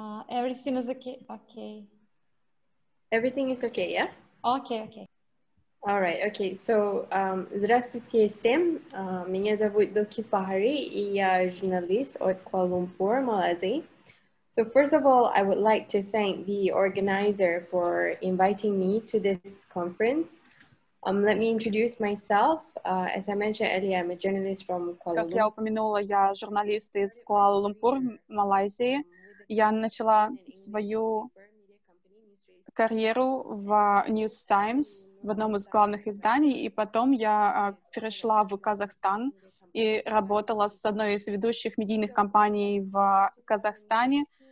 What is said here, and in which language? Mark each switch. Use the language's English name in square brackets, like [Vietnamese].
[English] Everything is okay. Okay. Everything is okay, yeah? Okay, okay. All right, okay. So, [Russian] здравствуйте всем. Меня зовут Билкис Бахари, и я журналист от Куала-Лумпур, Малайзия. [English] So first of all, I would like to thank the organizer for inviting me to this conference. Let me introduce myself. As I mentioned earlier, I'm a journalist from Kuala Lumpur. [Russian] Как я упомянула, я журналист из Куала-Лумпур, Малайзии. Я начала свою карьеру в News Times, в одном из главных изданий, и потом я перешла в Казахстан и работала с одной из ведущих медийных компаний в Казахстане.